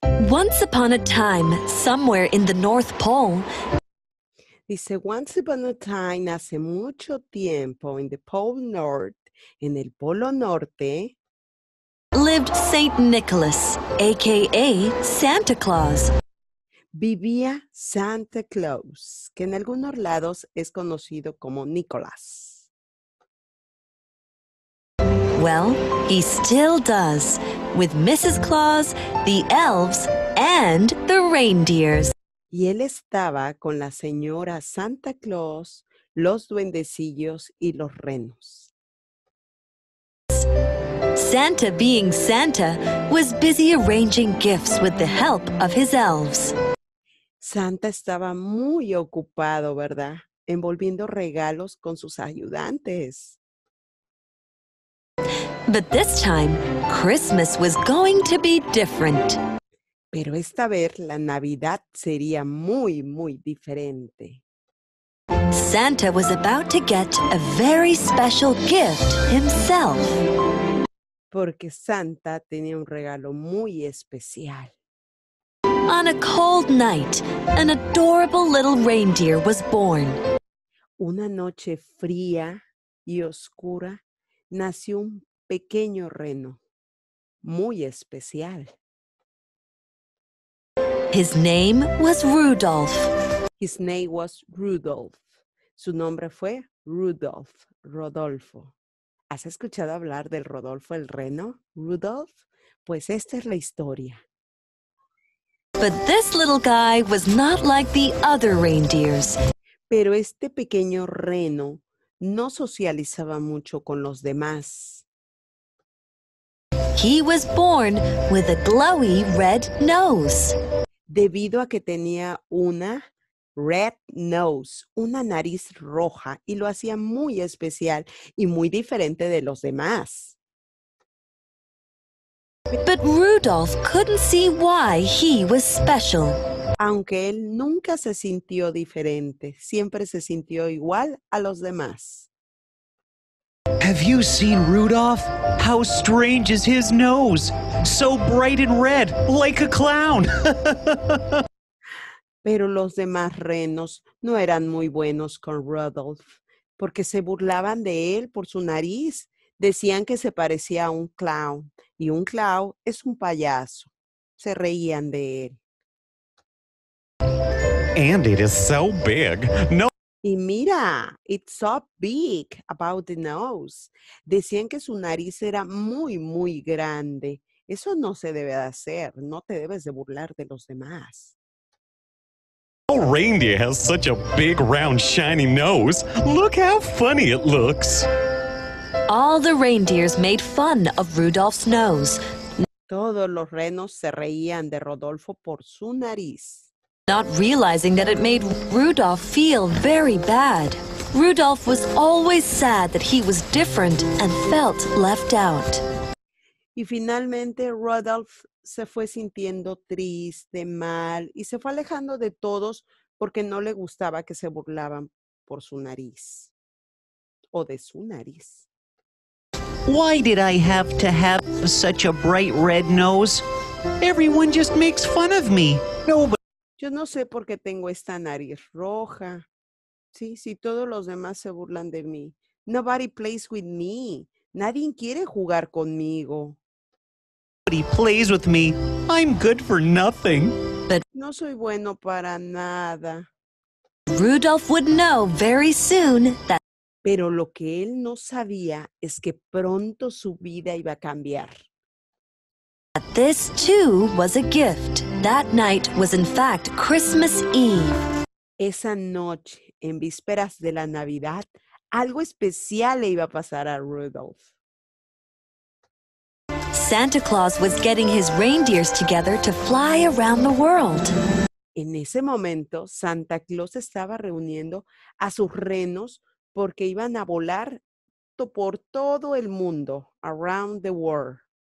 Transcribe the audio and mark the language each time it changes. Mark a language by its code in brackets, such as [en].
[en] Once upon a time, somewhere in the North Pole. [es] Dice, [en] once upon a time, [es] hace mucho tiempo, [en] in the Pole North, [es] en el Polo Norte, [en] lived Saint Nicholas, a.k.a. Santa Claus. [es] Vivía Santa Claus, que en algunos lados es conocido como Nicholas. [en] Well, he still does, with Mrs. Claus, the elves, and the reindeers. [es] Y él estaba con la señora Santa Claus, los duendecillos y los renos. [en] Santa, being Santa, was busy arranging gifts with the help of his elves. [es] Santa estaba muy ocupado, ¿verdad? Envolviendo regalos con sus ayudantes. [en] But this time, Christmas was going to be different. [es] Pero esta vez la Navidad sería muy, muy diferente. [en] Santa was about to get a very special gift himself. [es] Porque Santa tenía un regalo muy especial. [en] On a cold night, an adorable little reindeer was born. [es] Una noche fría y oscura, nació un pequeño reno, muy especial. [en] His name was Rudolph. His name was Rudolph. [es] Su nombre fue Rudolph, Rodolfo. ¿Has escuchado hablar del Rodolfo el reno, Rudolph? Pues esta es la historia. [en] But this little guy was not like the other reindeers. [es] Pero este pequeño reno no socializaba mucho con los demás. [en] He was born with a glowy red nose. [es] Debido a que tenía una [en] red nose, [es] una nariz roja, y lo hacía muy especial y muy diferente de los demás. [en] But Rudolph couldn't see why he was special. [es] Aunque él nunca se sintió diferente, siempre se sintió igual a los demás. [en] Have you seen Rudolph? How strange is his nose? So bright and red, like a clown. [es] Pero los demás renos no eran muy buenos con Rudolph, porque se burlaban de él por su nariz. Decían que se parecía a un clown, y un clown es un payaso. Se reían de él. [en] And it is so big. No. [es] Y mira, [en] it's so big about the nose. [es] Decían que su nariz era muy, muy grande. Eso no se debe de hacer. No te debes de burlar de los demás. [en] Oh, reindeer has such a big, round, shiny nose. Look how funny it looks. All the reindeers made fun of Rudolph's nose. [es] Todos los renos se reían de Rodolfo por su nariz. [en] Not realizing that it made Rudolph feel very bad. Rudolph was always sad that he was different and felt left out. [es] Y finalmente Rudolph se fue sintiendo triste, mal, y se fue alejando de todos porque no le gustaba que se burlaban por su nariz. O de su nariz. [en] Why did I have to have such a bright red nose? Everyone just makes fun of me. Nobody. [es] Yo no sé por qué tengo esta nariz roja. Sí, si todos los demás se burlan de mí. [en] Nobody plays with me. [es] Nadie quiere jugar conmigo. [en] Nobody plays with me. I'm good for nothing. [es] But no soy bueno para nada. [en] Rudolph would know very soon that [es] Pero lo que él no sabía es que pronto su vida iba a cambiar. [en] But this too was a gift. That night was in fact Christmas Eve. [es] Esa noche, en vísperas de la Navidad, algo especial le iba a pasar a Rudolph. [en] Santa Claus was getting his reindeers together to fly around the world. [es] En ese momento, Santa Claus estaba reuniendo a sus renos porque iban a volar por todo el mundo, [en] around the world.